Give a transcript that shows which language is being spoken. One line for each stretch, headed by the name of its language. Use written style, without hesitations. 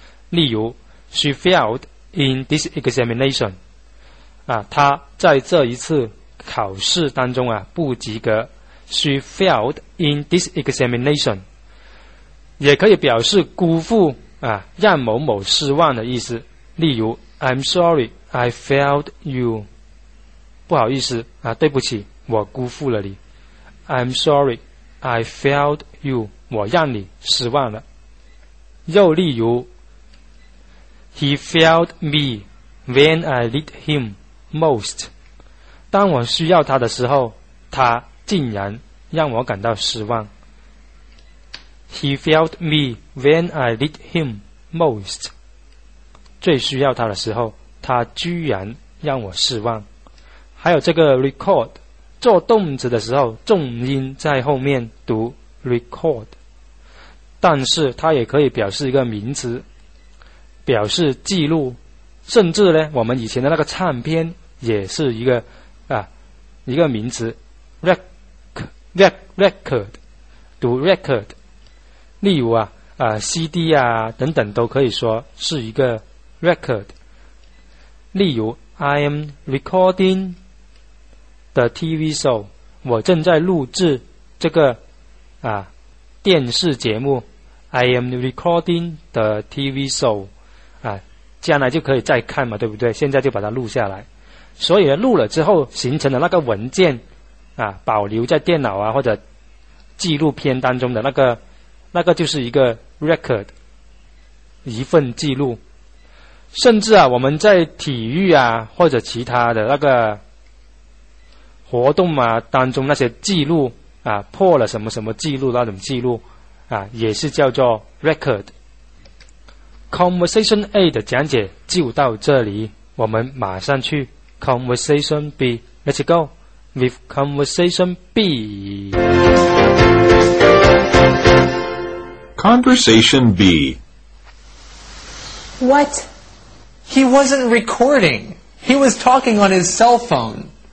Chinese: 例如
English: She failed in this examination
Chinese: 他在这一次考试当中不及格。
English: She failed in this examination
Chinese: 也可以表示辜负让某某失望的意思。例如
English: I'm sorry I failed you，
Chinese: 不好意思对不起，我辜负了你。
English: I'm sorry I failed you，
Chinese: 我让你失望了。又例如
English: He failed me when I need him most，
Chinese: 当我需要他的时候，他竟然让我感到失望。
English: He failed me when I need him most.
Chinese: 最需要他的时候，他居然让我失望。还有这个 record， 做动词的时候，重音在后面读 record， 但是它也可以表示一个名词，表示记录，甚至呢，我们以前的那个唱片也是一个一个名词 record， 读 record。例如CD 啊等等都可以说是一个 record。例如
English: I am recording the TV show，
Chinese: 我正在录制这个电视节目。
English: I am recording the TV show
Chinese: 将来就可以再看嘛，对不对？现在就把它录下来，所以录了之后形成的那个文件保留在电脑或者记录片当中的那个就是一个 record， 一份记录。甚至我们在体育或者其他的那个活动当中那些记录破了什么什么记录那种记录也是叫做 record。 Conversation A 的讲解就到这里，我们马上去Conversation B.
English: Let's go with Conversation B. Conversation B. What? He wasn't recording. He was talking on his cell phone.